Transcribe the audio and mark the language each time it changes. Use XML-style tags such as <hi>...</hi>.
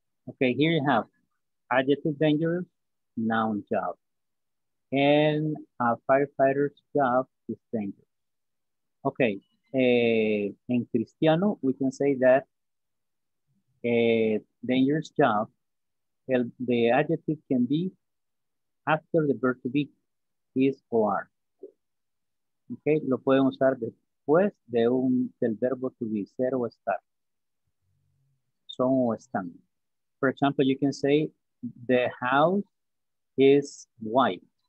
<en>Okay, here you have adjective dangerous, noun job, and a firefighter's job is dangerous. Okay, in Cristiano, we can say that a dangerous job, the adjective can be after the verb to be, is or are.</en> <es>Okay, lo pueden usar después de un del verbo to be, ser o estar. Son o están.</es> <en>For example, you can say the house is white.</en>